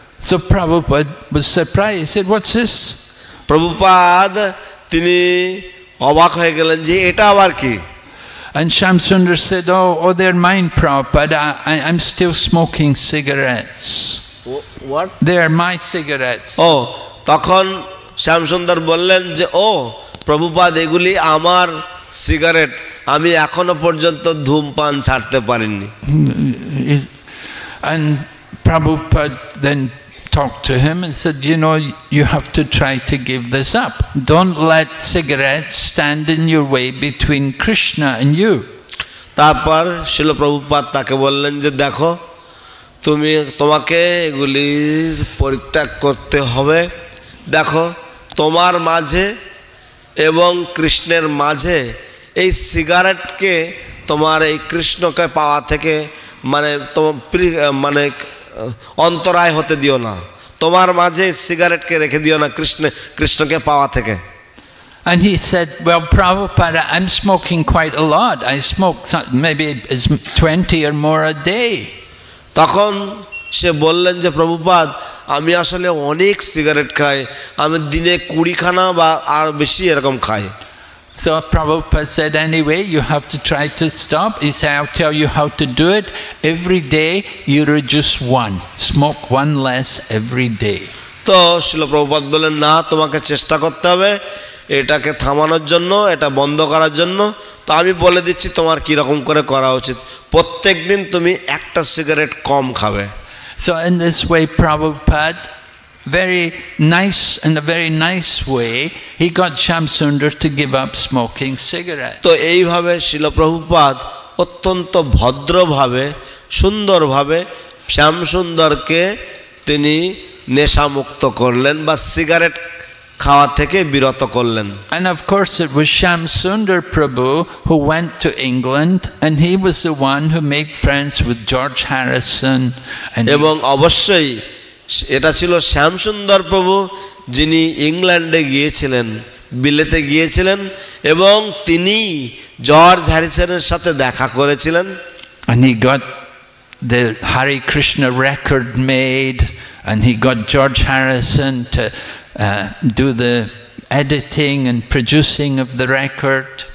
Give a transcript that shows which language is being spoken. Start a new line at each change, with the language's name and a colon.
English: So Prabhupada was surprised, what's this?
Bangla: Prabhupada তিনি অবাক হয়ে গেলেন যে এটা আবার কি।
English: And Shamsundar said, oh they're mine Prabhupada, I'm still smoking cigarettes. What? They're my cigarettes.
Bangla: Oh, তখন শ্যামসুন্দর বললেন যে ও প্রভুপাদ এগুলি আমার সিগারেট, আমি এখনো পর্যন্ত ধূমপান ছাড়তে পারিনি।
English: And Prabhupada then talked to him and said, you know, you have to try to give this up. Don't let cigarettes stand in your way between Krishna and you.
Bangla: তারপর শ্রীল প্রভুপাদ তাকে বললেন যে দেখো তুমি, তোমাকে এগুলি পরিত্যাগ করতে হবে, দেখো তোমার মাঝে এবং কৃষ্ণের মাঝে এই সিগারেটকে তোমার এই কৃষ্ণকে পাওয়া থেকে মানে তোমার মানে অন্তরায় হতে দিও না, তোমার মাঝে সিগারেটকে রেখে দিও না কৃষ্ণকে পাওয়া থেকে।
English: And he said, well Prabhupada, I'm smoking quite a lot, I smoke maybe 20 or more a day.
Bangla: তখন সে বললেন যে প্রভুপাদ আমি আসলে অনেক সিগারেট খাই, আমি দিনে 20খানা বা আর বেশি এরকম খাই।
English: So Prabhupada said, anyway you have to try to stop, he said I'll tell you how to do it, every day you reduce one, smoke one less every day.
Bangla: তো শ্রীল প্রভুপাদ বললেন না তোমাকে চেষ্টা করতে হবে এটাকে থামানোর জন্য, এটা বন্ধ করার জন্য, তো আমি বলে দিচ্ছি তোমার কিরকম করে করা উচিত, প্রত্যেক দিন তুমি একটা সিগারেট কম খাবে।
English: So in this way Prabhupada, very nice, in a very nice way, he got Shamsundar to give up smoking cigarettes.
Bangla: তো এইভাবে শ্রীল প্রভুপাদ অত্যন্ত ভদ্রভাবে সুন্দরভাবে শ্যামসুন্দরকে তিনি নেশামুক্ত করলেন বা সিগারেট খাওয়া থেকে বিরত করলেন
English: and of course it was Sham Sundar Prabhu who went to England and he was the one who made friends with George Harrison and
Bangla: এবং অবশ্যই এটা ছিল শ্যাম সুন্দর প্রভু যিনি ইংল্যান্ডে গিয়েছিলেন বিলেতে গিয়েছিলেন এবং তিনি জর্জ হ্যারিসনের সাথে দেখা করেছিলেন
English: and he got the Hare Krishna record made and he got George Harrison to do the editing and producing of the record